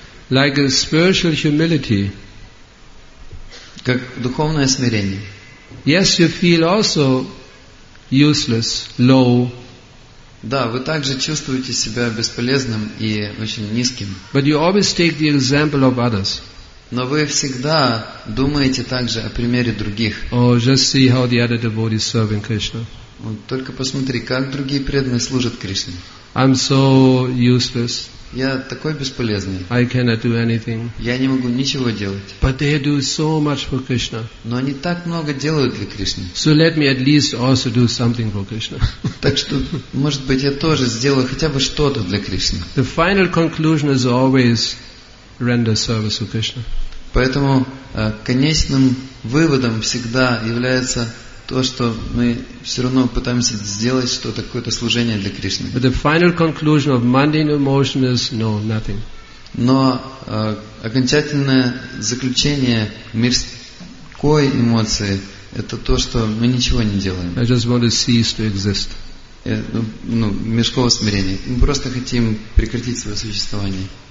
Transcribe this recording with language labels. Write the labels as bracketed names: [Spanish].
[English] like a spiritual humility. [Russian] Как духовное смирение. [English] Yes, you feel also useless, low. [Russian] Да, вы также чувствуете себя бесполезным и очень низким. [English] But you always take the example of others. [Russian] Но вы всегда думаете также о примере других. [English] Oh, just see how the other devotees serve in Krishna. [Russian] Вот только посмотри, как другие преданные служат Кришне. [English] I'm so useless. [Russian] Я такой бесполезный. [English] I cannot do anything. [Russian] Я не могу ничего делать. [English] But they do so much for Krishna. [Russian] Но они так много делают для Кришны. [English] So let me at least also do something for Krishna. [Russian] Так что, может быть, я тоже сделаю хотя бы что-то для Кришны. [English] The final conclusion is always render service to Krishna. [Russian] Поэтому конечным выводом всегда является то, что мы все равно пытаемся сделать что-то, какое-то служение для Кришны. [English] But the final conclusion of mundane emotion is no, nothing. [Russian] Но окончательное заключение мирской эмоции – это то, что мы ничего не делаем. [English] I just want to cease to exist. [Russian] Мирского смирения. Мы просто хотим прекратить свое существование.